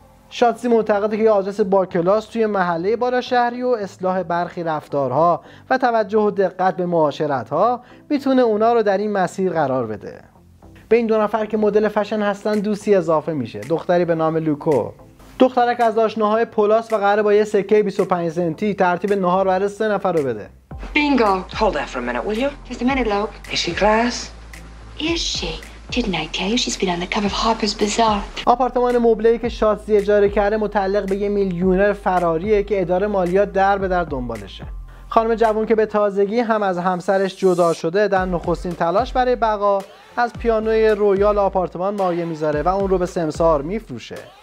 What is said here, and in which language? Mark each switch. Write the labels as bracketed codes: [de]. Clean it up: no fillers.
[fa] شاتزی معتقده که آدرس باکلاس توی محله بالا شهری و اصلاح برخی رفتارها و توجه و دقت به معاشرتها میتونه اونا رو در این مسیر قرار بده. به این دو نفر که مدل فشن هستن دوستی اضافه میشه، دختری به نام لوکو. دخترک از آشناهای پولاس و قراره با یه سکه 25 سنتی ترتیب نهار برای 3 نفر رو بده. [en] Bingo. Hold that for a minute, will you? Just a minute, Luke. Is she class? Is she? Didn't I tell you she's been on the cover of Harper's Bazaar? [fa] آپارتمان مبله‌ای که شاتزی اجاره کرده متعلق به یه میلیونر فراریه که اداره مالیات در به در دنبالشه. خانم جوان که به تازگی هم از همسرش جدا شده در نخستین تلاش برای بقا از پیانوی رویال آپارتمان مایه می‌ذاره و اون رو به سمسار می‌فروشه.